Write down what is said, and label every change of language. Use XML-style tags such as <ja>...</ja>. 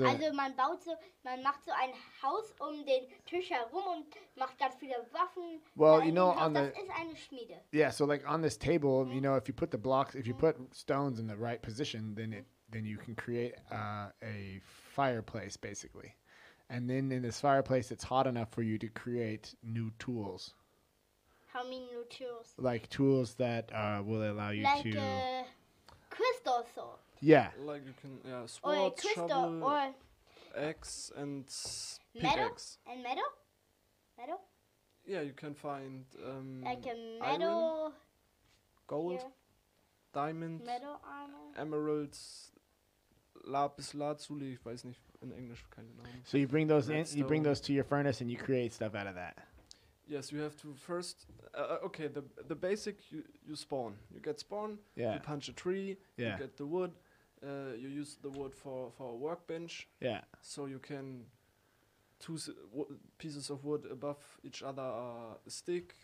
<de>Also man baut so, man macht so ein Haus um den Tisch herum und macht ganz viele Waffen.</de> <en>Well, you know, on the.</en> <de>Das ist eine Schmiede.</de> <en>Yeah. So like on this table, mm-hmm. you know, if you put the blocks, if you mm-hmm. put stones in the right position, then you can create a fireplace basically, and then in this fireplace, it's hot enough for you to create new tools. How many new tools? Like tools that will allow you like to. Like crystal sword. Yeah. Like you can, yeah, sword, or shovel, or axe, and pickaxe. Metal? And metal? Metal? Yeah, you can find, like a metal. Iron, gold, here. Diamond. Metal armor.</en> <de>Emeralds, lapis lazuli, ich weiß nicht,</de> <en>in English,</en> <de>keine Ahnung.</de> <en>So you bring those redstone. You bring those to your furnace and you create stuff out of that. Yes, you have to first, okay, the basic, you spawn. You get spawn, yeah. You punch a tree, yeah. You get the wood, you use the wood for a workbench. Yeah. So you can, two pieces of wood above each other are a stick.</en>